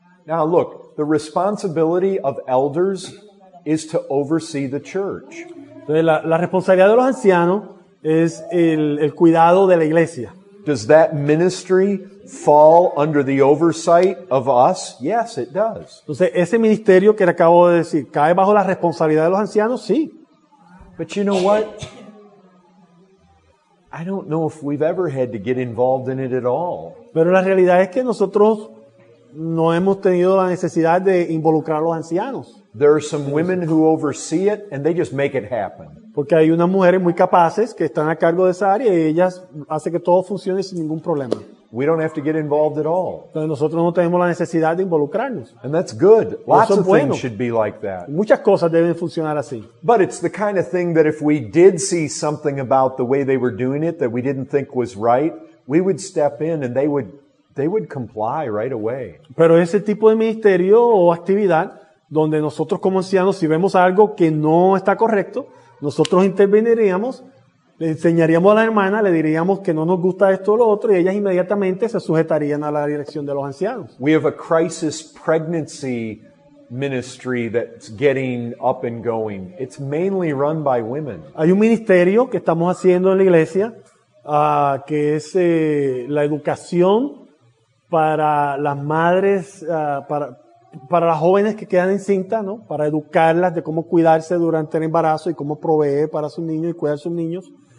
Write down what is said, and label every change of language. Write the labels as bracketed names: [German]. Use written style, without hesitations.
[English] Now look, the responsibility of elders is to oversee the church. [Spanish] Entonces, la responsabilidad de los ancianos es el cuidado de la iglesia. [English] Does that ministry fall under the oversight of us? Yes, it does. [Spanish] Entonces, ese ministerio que le acabo de decir, ¿cae bajo la responsabilidad de los ancianos? Sí. [English] But you know what? I don't know if we've ever had to get involved in it at all. [Spanish] Pero la realidad es que nosotros no hemos tenido la necesidad de involucrar a los ancianos. [English] There are some women who oversee it and they just make it happen. [Spanish] Porque hay unas mujeres muy capaces que están a cargo de esa área y ellas hacen que todo funcione sin ningún problema. [English] We don't have to get involved at all. [Spanish] Entonces nosotros no tenemos la necesidad de involucrarnos. [English] And that's good. Lots of things should be like that. [Spanish] Muchas cosas deben funcionar así. [English] But it's the kind of thing that if we did see something about the way they were doing it that we didn't think was right, we would step in and they would comply right away. [Spanish] Pero ese tipo de ministerio o actividad donde nosotros como ancianos si vemos algo que no está correcto, nosotros interveniríamos Le enseñaríamos a la hermana, le diríamos que no nos gusta esto o lo otro, y ellas inmediatamente se sujetarían a la dirección de los ancianos. [English] We have a crisis pregnancy ministry that's getting up and going. It's mainly run by women. [Spanish] Hay un ministerio que estamos haciendo en la iglesia, que es la educación para las madres, para las jóvenes que quedan encintas, ¿no? Para educarlas de cómo cuidarse durante el embarazo y cómo proveer para sus niños y cuidar sus niños.